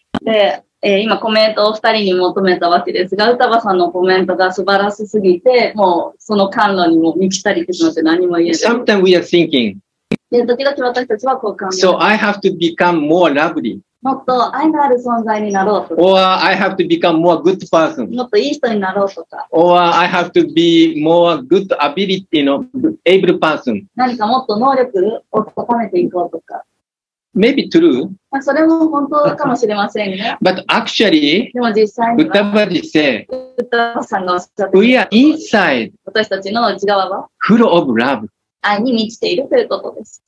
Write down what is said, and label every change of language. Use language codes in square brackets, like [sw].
[ja] で今コメントを二人に求めたわけですが、歌場さんのコメントが素晴らしすぎて、もうその甘露にも満ちたりしてしまって何も言えない。 [en] Sometimes we are thinking. [ja] で、時々私たちはこう考える。 [en] So I have to become more lovely. [ja] もっと愛のある存在になろうと [en] か。Or I have to become more good person. [ja] もっといい人になろうとか。 [en] Or I have to be more good ability, you know, able person. [ja] 何かもっと能力を高めていこうとか。 [en] Maybe true. [ja] それも本当かもしれませんね。 [en] But actually, [ja] でも実際には、ウタバジさんがおっしゃって [en] る、We are inside. [ja] 私たちの内側は、 [en] Full of love. [ja] 愛に満ちているということです。